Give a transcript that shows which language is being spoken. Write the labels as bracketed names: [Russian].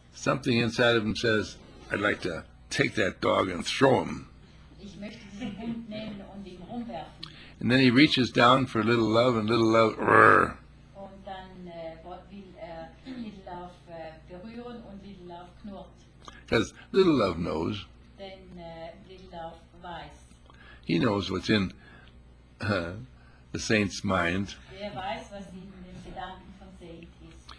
[English] something inside of him says, I'd like to take that dog and throw him. [German] Ich möchte diesen Hund nehmen und ihn rumwerfen. [English] And then he reaches down for a little love, and little love, [German] und dann, will, little love, berühren und little love knurrt. [English] Because little love knows. [German] Then, little love weiß. [English] He knows what's in, the saint's mind. [German] Er weiß, was in den Gedanken von Saint ist.